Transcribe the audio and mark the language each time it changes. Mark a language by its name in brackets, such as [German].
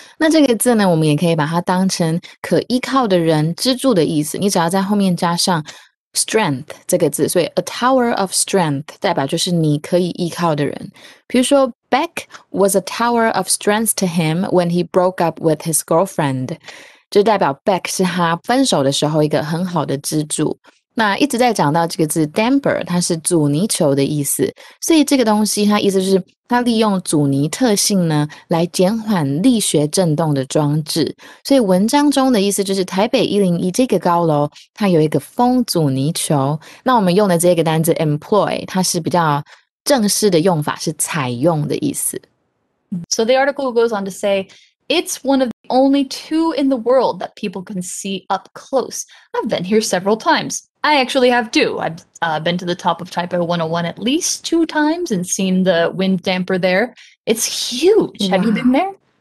[Chinese] 那这个字呢我们也可以把它当成可依靠的人支柱的意思。你只要在后面加上 strength 这个字，所以 [English] a tower of strength [Chinese] 代表就是你可以依靠的人。比如说 [English] Beck was a tower of strength to him when he broke up with his girlfriend. [Chinese] 就代表 Beck 是他分手的时候一个很好的支柱。那一直在讲到这个字 damper, 它是阻尼球的意思。所以这个东西它意思就是它利用阻尼特性呢来减缓力学震动的装置。所以文章中的意思就是台北101这个高楼它有一个风阻尼球。那我们用的这个单字 employ, 它是比较正式的用法是采用的意思。 [English] So the article goes on to say,It's one of the only two in the world that people can see up close. I've been here several times. I actually have too. I've been to the top of Taipei 101 at least two times and seen the wind damper there. It's huge. Have you been there?